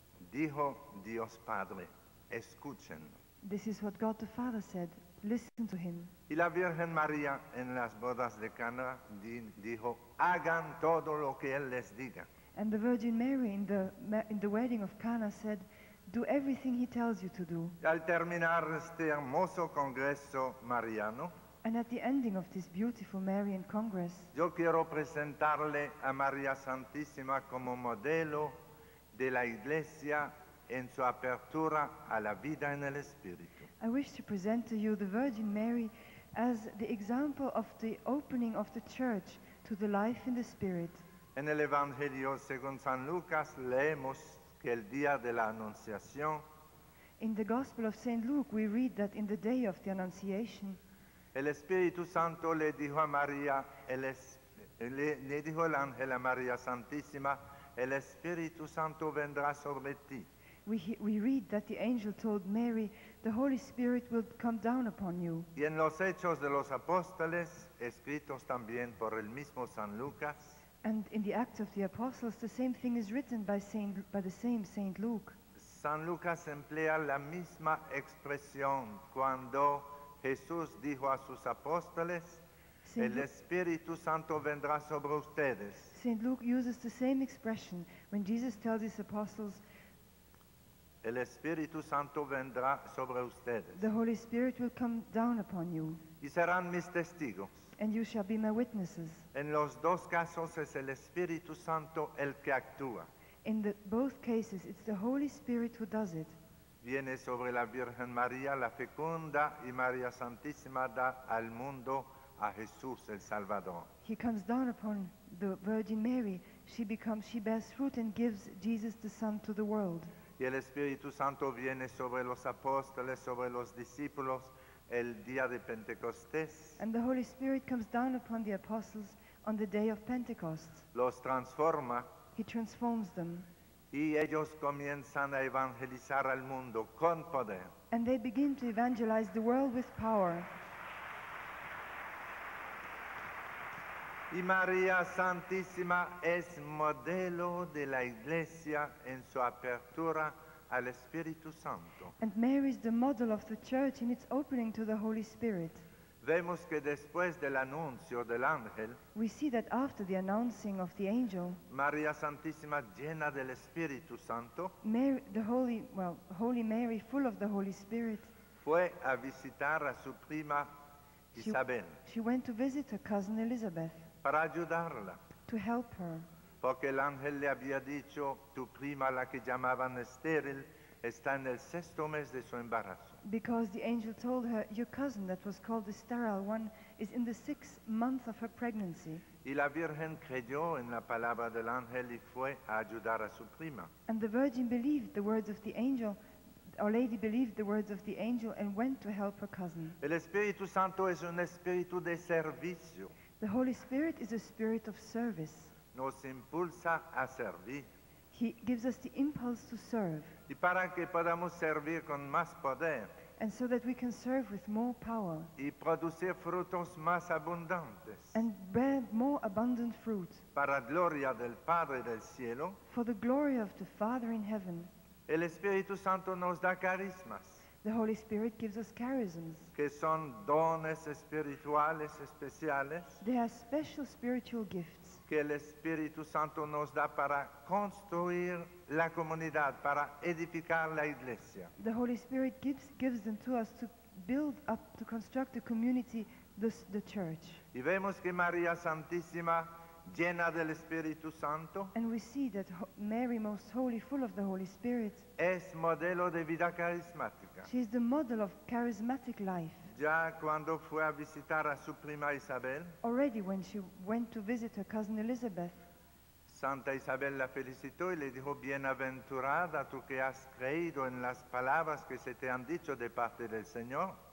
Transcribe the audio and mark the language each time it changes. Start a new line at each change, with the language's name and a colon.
Spanish: Dijo Dios Padre, escuchen.
English: This is what God the Father said. Listen to him.
Spanish: Y la Virgen María en las bodas de Cana dijo, hagan todo lo que él les diga.
English: And the Virgin Mary in the wedding of Cana said, do everything he tells you to do.
Spanish: Y al terminar este hermoso congreso mariano,
English: and at the ending of this beautiful Marian Congress,
Spanish: yo quiero presentarle a María Santísima como modelo de la Iglesia en su apertura a la vida en el Espíritu.
English: I wish to present to you the Virgin Mary as the example of the opening of the Church to the life in the Spirit.
Spanish: En el Evangelio según San Lucas leemos que el día de la Anunciación,
English: in the Gospel of St. Luke we read that in the day of the Annunciation,
Spanish: el Espíritu Santo le dijo a María, le dijo el ángel a María Santísima, el Espíritu Santo vendrá sobre ti.
English: We read that the angel told Mary, the Holy Spirit will come down upon you.
Spanish: Y en los Hechos de los Apóstoles, escritos también por el mismo San Lucas,
English: and in the Acts of the Apostles, the same thing is written by the same Saint Luke.
Spanish: San Lucas emplea la misma expresión cuando Jesús dijo a sus apóstoles, el Espíritu Santo vendrá sobre ustedes.
English: St. Luke uses the same expression when Jesus tells his apostles,
Spanish: el Espíritu Santo vendrá sobre ustedes.
English: The Holy Spirit will come down upon you.
Spanish: Y serán mis testigos.
English: And you shall be my witnesses.
Spanish: En los dos casos es el Espíritu Santo el que actúa.
English: In both cases, it's the Holy Spirit who does it.
Spanish: Viene sobre la Virgen María, la fecunda, y María Santísima da al mundo a Jesús, el Salvador.
English: He comes down upon the Virgin Mary. She bears fruit and gives Jesus the Son to the world.
Spanish: Y el Espíritu Santo viene sobre los apóstoles, sobre los discípulos, el día de Pentecostés.
English: And the Holy Spirit comes down upon the apostles on the day of Pentecost.
Spanish: Los transforma.
English: He transforms them.
Spanish: Y ellos comienzan a evangelizar al mundo con poder.
English: And they begin to evangelize the world with power.
Spanish: Y María Santísima es modelo de la Iglesia en su apertura al Espíritu Santo.
English: And Mary is the model of the Church in its opening to the Holy Spirit.
Spanish: Vemos que después del anuncio del ángel,
English: we see that after the announcing of the angel,
Spanish: María Santísima llena del Espíritu Santo,
English: Mary, the Holy, well, Holy Mary, full of the Holy Spirit,
Spanish: fue a visitar a su prima Isabel.
English: She went to visit her cousin Elizabeth.
Spanish: Para ayudarla.
English: To help her.
Spanish: Porque el ángel le había dicho, tu prima, la que llamaban estéril, está en el sexto mes de su embarazo.
English: Because the angel told her, your cousin that was called the sterile one is in the sixth month of her pregnancy.
Spanish: Y la Virgen creyó en la palabra del ángel y fue a ayudar a su prima.
English: And the Virgin believed the words of the angel, Our Lady believed the words of the angel and went to help her cousin.
Spanish: El Espíritu Santo es un espíritu de servicio.
English: The Holy Spirit is a spirit of service.
Spanish: Nos impulsa a servir.
English: He gives us the impulse to serve.
Spanish: Y para que podamos servir con más poder.
English: And so that we can serve with more power.
Spanish: Y producir frutos más abundantes.
English: And bear more abundant fruit.
Spanish: Para gloria del Padre del Cielo.
English: For the glory of the Father in heaven.
Spanish: El Espíritu Santo nos da carismas.
English: The Holy Spirit gives us charisms.
Spanish: Que son dones espirituales especiales.
English: They are special spiritual gifts.
Spanish: Que el Espíritu Santo nos da para construir la comunidad, para edificar la iglesia.
English: The Holy Spirit gives them to us to build up, to construct the community, the church.
Spanish: Y vemos que María Santísima, llena del Espíritu Santo,
English: and we see that Mary, most holy, full of the Holy Spirit,
Spanish: es modelo de vida carismática.
English: She is the model of charismatic life.
Spanish: Ya cuando fue a visitar a su prima Isabel,
English: already when she went to visit her cousin Elizabeth,
Spanish: Santa Isabel la felicitó y le dijo, Bienaventurada tú que has creído en las palabras que se te han dicho de parte del Señor.